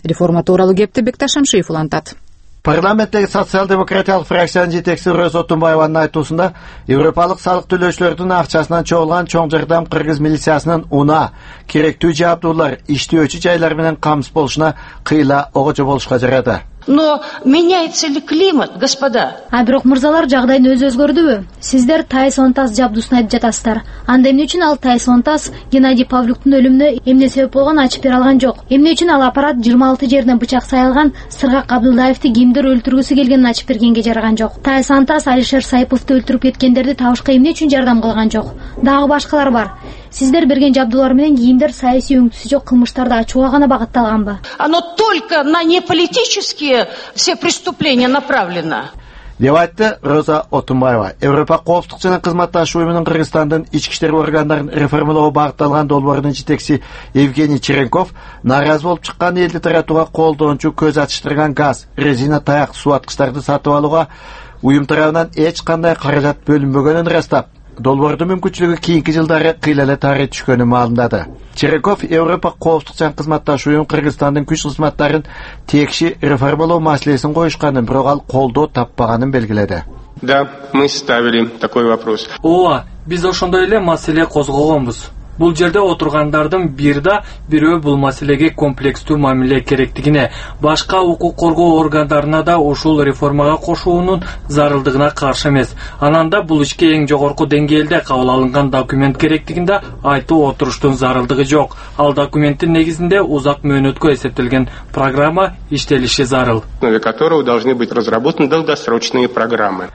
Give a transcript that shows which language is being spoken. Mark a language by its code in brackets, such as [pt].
[ky] Реформа тууралуу кепти Бекташ Шамшиев улантат. Парламенттеги социал-демократиялык фракциянын жетекчиси Роза Отунбаеванын айтуусунда европалык салык төлөөчүлөрдүн акчасынан чогулган чоң жардам кыргыз милициясынын унаа, керектүү жабдуулар, иштөөчү жайлар менен камсыз болушуна кыйла огочо болушка жарады. [ru] Но меняется ли климат, господа? [ky] А бирок мырзалар, жагдайын өзү өзгөрдүбү? Сиздер Тайсонтас жабдуусун айтып жатасыздар. Анда эмне үчүн ал Тайсонтас Геннадий Павлюктун өлүмүнө эмне себеп болгонун ачып бере алган жок? Эмне үчүн ал аппарат 26 жеринен бычак сайылган Сыргак Абдылдаевди кимдер өлтүргүсү келгенин ачып бергенге жараган жок? Тайсонтас Алишер Сайповду өлтүрүп кеткендерди табышка эмне үчүн жардам кылган жок? Дагы башкалар бар. Сиздер берген жабдуулар менен кийимдер саясий өңтүсү жок кылмыштарды ачууга гана багытталганбы? [ru] Оно только на неполитические все преступления направлено. [ky] Деп айтты Роза Отунбаева. Европа коопсуздук жана кызматташуу уюмунун Кыргызстандын ички иштер органдарын реформалоого багытталган долбоорунун жетекчиси Евгений Черенков нааразы болуп чыккан элди таратууга колдончу көз ачыштырган газ, резина, таяк, суу аткычтарды сатып алууга уюм тарабынан эч кандай каражат бөлүнбөгөнүн ырастап, долбоордун мүмкүнчүлүгү кийинки жылдары кыйла эле таарий түшкөнүн маалымдады. Черенков Европа коопсуздук жана кызматташуу уюм Кыргызстандын күч кызматтарын текши реформалоо маселесин коюшканын, бирок ал колдоо таппаганын белгиледи. [ru] Да, мы ставили такой вопрос. [ky] Ооба, биз ошондой эле маселе козгогонбуз. Бул жерде отургандардын бир да бирөө бул маселеге комплекстүү мамиле керектигине, башка укук коргоо органдарына да ушул реформага кошуунун зарылдыгына каршы эмес. Анан да бул ишке эң жогорку деңгээлде кабыл алынган документ керектигин да айтып отуруштун зарылдыгы жок. Ал документтин негизинде узак мөөнөткө эсептелген программа иштелиши зарыл. [ru] Для которого должны быть разработаны долгосрочные программы.